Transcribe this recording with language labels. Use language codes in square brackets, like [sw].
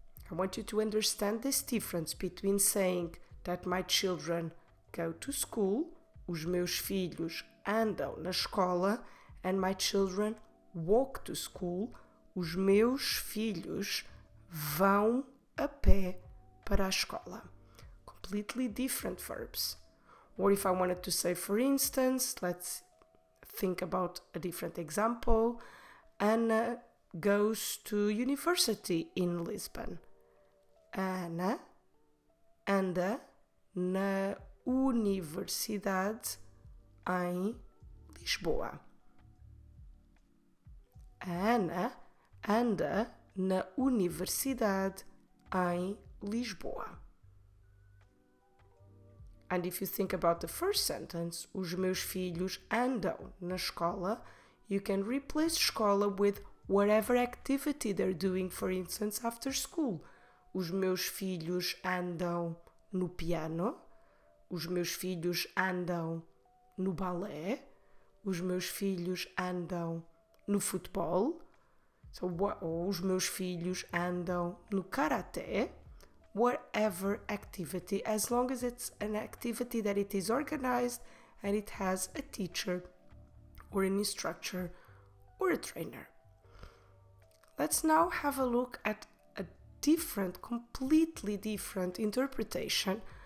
[en] I want you to understand this difference between saying that my children go to school, [pt] os meus filhos andam na escola, [en] and my children walk to school, [pt] os meus filhos vão a pé para a escola. [en] Completely different verbs. Or if I wanted to say, for instance, let's think about a different example, Ana goes to university in Lisbon. [pt] Ana anda na universidade em Lisboa. Ana anda na universidade em Lisboa. [en] And if you think about the first sentence, [pt] os meus filhos andam na escola, [en] you can replace escola with whatever activity they're doing, for instance, after school. [pt] Os meus filhos andam no piano. Os meus filhos andam no balé. Os meus filhos andam no futebol. Os meus filhos andam no karaté. [en] Whatever activity, as long as it's an activity that it is organized and it has a teacher or an instructor or a trainer. Let's now have a look at a different, completely different interpretation